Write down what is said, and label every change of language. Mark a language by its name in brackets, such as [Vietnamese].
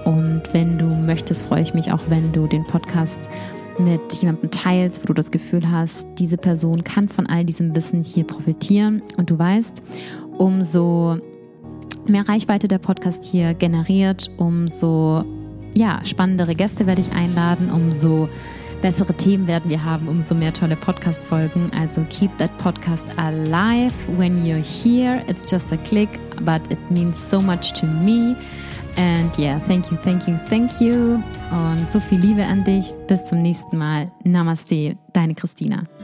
[German] Und wenn du möchtest, freue ich mich auch, wenn du den Podcast mit jemandem teilst, wo du das Gefühl hast, diese Person kann von all diesem Wissen hier profitieren. Und du weißt, umso mehr Reichweite der Podcast hier generiert, umso ja, spannendere Gäste werde ich einladen, umso bessere Themen werden wir haben, umso mehr tolle Podcast-Folgen. Also [English] keep that podcast alive when you're here. It's just a click, but it means so much to me. And yeah, thank you, thank you, thank you. [German] Und so viel Liebe an dich. Bis zum nächsten Mal. Namaste, deine Christina.